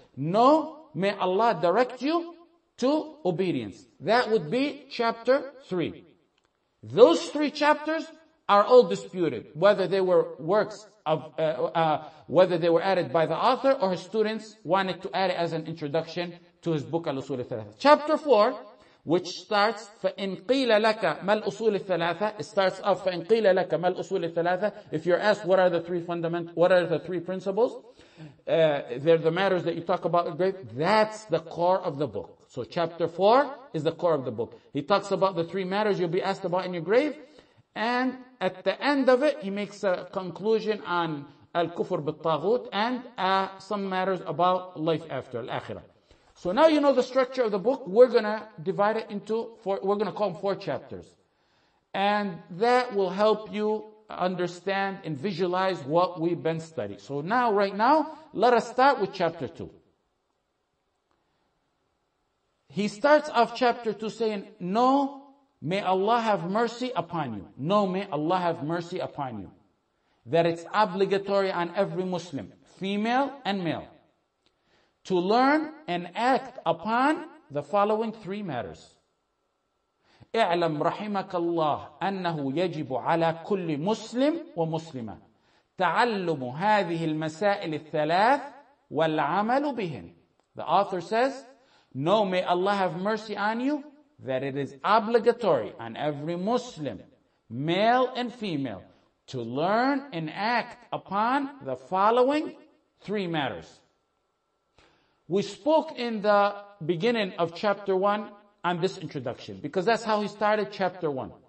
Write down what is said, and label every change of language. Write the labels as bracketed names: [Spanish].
[English] Know, may Allah direct you to obedience. That would be chapter three. Those three chapters are all disputed, whether they were works of whether they were added by the author or his students wanted to add it as an introduction to his book al-usul al-thalatha. Chapter 4, which starts [Arabic] فَإِنْ قِيلَ لَكَ مَا الْأُصُولِ الثَّلَاثَ. [English] It starts off [Arabic] فَإِنْ قِيلَ لَكَ مَا الْأُصُولِ الثَّلَاثَ. [English] If you're asked what are the three fundamental, what are the three principles, they're the matters that you talk about. That's the core of the book. So chapter 4 is the core of the book. He talks about the three matters you'll be asked about in your grave. And at the end of it, he makes a conclusion on al-kufr bil-taghut and some matters about life after, al-akhirah. So now you know the structure of the book. We're going to divide it into four, we're going to call them four chapters. And that will help you understand and visualize what we've been studying. So now, right now, let us start with chapter two. He starts off chapter two saying, no, may Allah have mercy upon you. No, may Allah have mercy upon you. That it's obligatory on every Muslim, female and male, to learn and act upon the following three matters. [Arabic] اعلم رحمك الله أنه يجب على كل مسلم ومسلمة تعلم هذه المسائل الثلاث والعمل بهن. [English] The author says, know, may Allah have mercy on you, that it is obligatory on every Muslim, male and female, to learn and act upon the following three matters. We spoke in the beginning of chapter one on this introduction, because that's how he started chapter one.